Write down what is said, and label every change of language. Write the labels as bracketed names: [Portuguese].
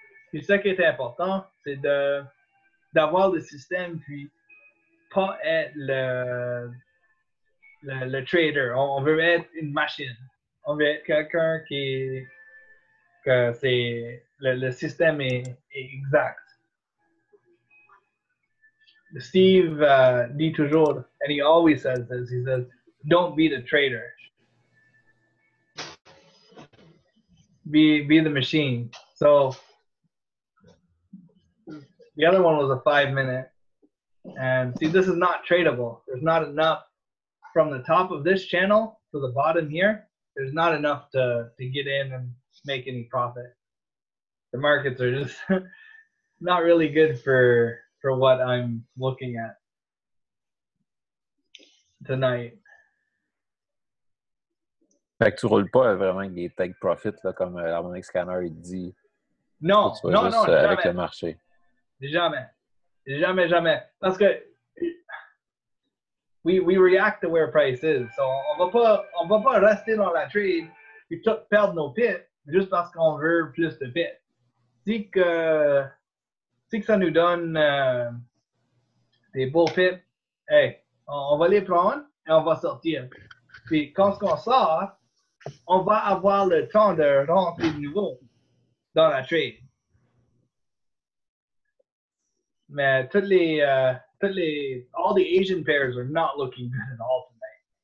[French] Puis ce qui est important, c'est d'avoir le système, puis pas être le trader. On veut être une machine. On veut être quelqu'un qui que c'est le système est exact. [English] Steve [French] dit toujours, [English] and he always says this, he says, don't be the trader. Be the machine. So the other one was a 5 minute. And see, this is not tradable. There's not enough from the top of this channel to the bottom here. There's not enough to get in and make any profit. The markets are just not really good for what I'm looking at tonight. [French] Fait que tu roules pas vraiment avec des take profits là, comme Harmonic Scanner il dit. Non, juste, non, avec le marché. Jamais. Parce que [English] we react to where price is. [French] So on va pas rester dans la trade et tout perdre nos pips juste parce qu'on veut plus de pips. Si que ça nous donne des beaux pips, hey, on va les prendre et on va sortir. Puis quand on sort, on va avoir le temps de rentrer de nouveau dans la trade. Mais [English] all the Asian pairs are not looking good at all tonight.